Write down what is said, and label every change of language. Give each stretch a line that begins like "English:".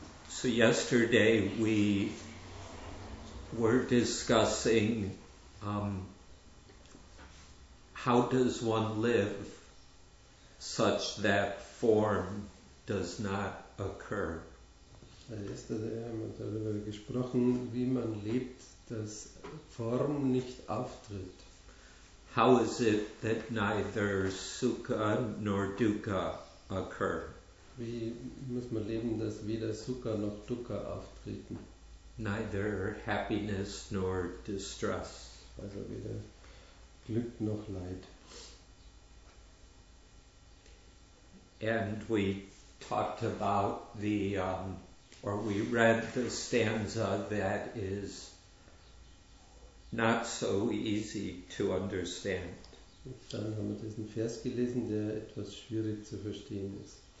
English: So yesterday we were discussing how does one live such that form does not occur?
German: Gestern haben wir darüber gesprochen, wie man lebt, dass Form nicht auftritt.
English: How is it that neither Sukha nor Dukkha occur?
German: Wie muss man leben, dass weder Sukha noch Dukkha auftreten?
English: Neither happiness nor distress.
German: Also weder Glück noch Leid.
English: And we talked about the, or we read the stanza that is not so easy to understand.
German: Und dann haben wir diesen Vers gelesen, der etwas schwierig zu verstehen ist.